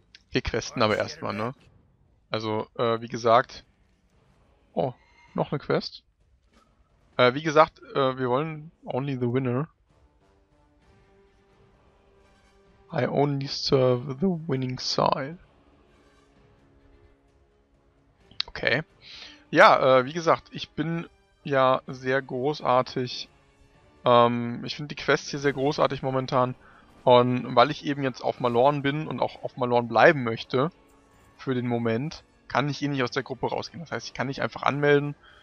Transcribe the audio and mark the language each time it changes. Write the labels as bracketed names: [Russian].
[German] Wir questen aber erstmal, ne? Also, wie gesagt... Oh, noch eine Quest. Wie gesagt, wir wollen [English] only the winner. I only serve the winning side. [German] Okay. Ja, wie gesagt, ich bin ja sehr großartig. Ich finde die Quest hier sehr großartig momentan. Und weil ich eben jetzt auf Malorn bin und auch auf Malorn bleiben möchte, für den Moment, kann ich eh nicht aus der Gruppe rausgehen. Das heißt, ich kann nicht einfach anmelden.